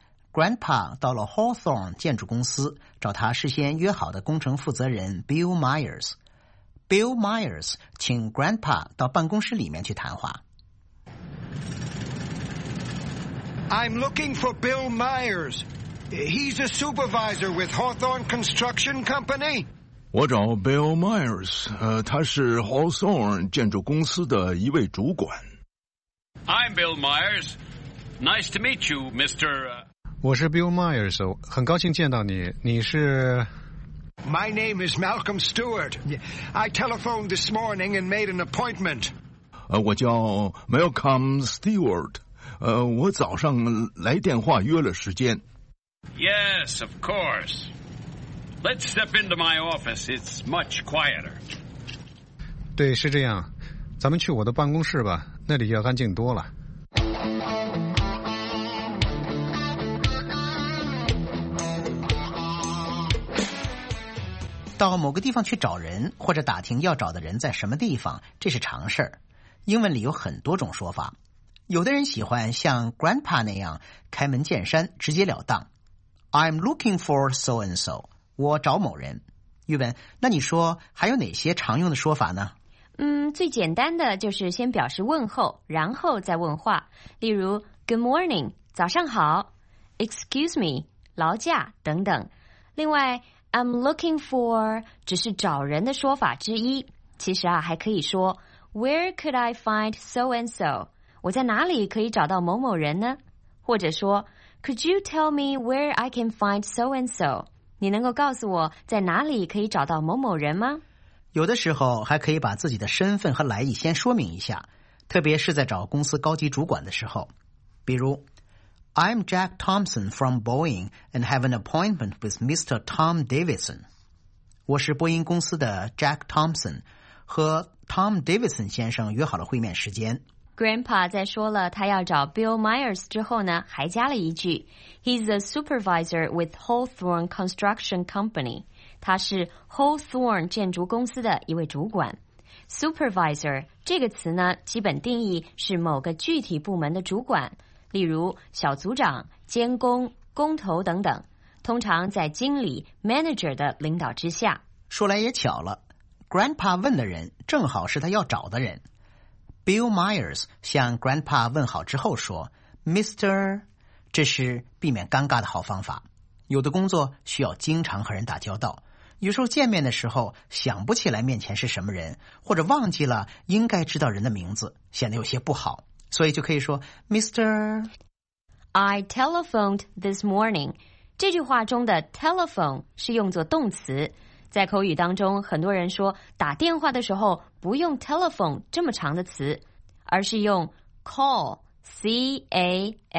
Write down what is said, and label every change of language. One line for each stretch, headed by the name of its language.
Chinese: Grandpa 到了 Hawthorne 建筑公司，找他事先约好的工程负责人 Bill Myers。 Bill Myers 请 Grandpa 到办公室里面去谈话。
English: I'm looking for Bill Myers. He's a supervisor with Hawthorne Construction Company.
Chinese: 我找 Bill Myers， 他是 Hawthorne 建筑公司的一位主管。
English: I'm Bill Myers. Nice to meet you, Mr.
Chinese: 我是 Bill Myers， 很高兴见到你。你是
English: ？My name is Malcolm Stewart. I telephoned this morning and made an appointment.
Chinese: 我叫 Malcolm Stewart. 我早上来电话约了时间。
English: Yes, of course. Let's step into my office. It's much quieter.
Chinese: 对，是这样。咱们去我的办公室吧，那里要干净多了。到某个地方去找人，或者打听要找的人在什么地方，这是常事儿。英文里有很多种说法，有的人喜欢像 grandpa 那样开门见山，直截了当。
English: I'm looking for so and so，
Chinese: 我找某人。玉文，那你说还有哪些常用的说法呢？最简单的就是先表示问候，然后再问话。例如
English: good morning，
Chinese: 早上好 ，
English: excuse me，
Chinese: 劳驾等等。另外
English: I'm looking for
Chinese: 只是找人的说法之一，其实啊还可以说
English: Where could I find so and so？
Chinese: 我在哪里可以找到某某人呢？
English: 或者说 Could you tell me where I can find so and so？
Chinese: 你能够告诉我在哪里可以找到某某人吗？有的时候还可以把自己的身份和来意先说明一下，特别是在找公司高级主管的时候。比如
English: I'm Jack Thompson from Boeing and have an appointment with Mr. Tom Davidson.
Chinese: 我是波音公司的 Jack Thompson， 和 Tom Davidson 先生约好了会面时间。 Grandpa 在说了他要找 Bill Myers 之后呢，还加了一句
English: He's a supervisor with Hawthorne Construction Company.
Chinese: 他是 Hawthorne 建筑公司的一位主管。 Supervisor 这个词呢，基本定义是某个具体部门的主管，例如小组长、监工、工头等等，通常在经理 manager 的领导之下。说来也巧了， grandpa 问的人正好是他要找的人。 Bill Myers 向 grandpa 问好之后说 Mr. 这是避免尴尬的好方法。有的工作需要经常和人打交道，有时候见面的时候想不起来面前是什么人，或者忘记了应该知道人的名字，显得有些不好，所以就可以说 Mr.
English: I telephoned this morning.
Chinese: 这句话中的 telephone 是用作动词，在口语当中很多人说打电话的时候不用 telephone 这么长的词，而是用 call C-A-L-L。